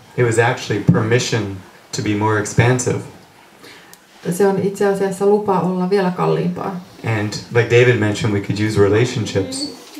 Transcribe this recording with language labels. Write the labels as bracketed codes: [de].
[en] It was actually permission to be more expansive. [fi] Se on itse asiassa lupa olla vielä kalliimpaa. [en] And like David mentioned, we could use relationships.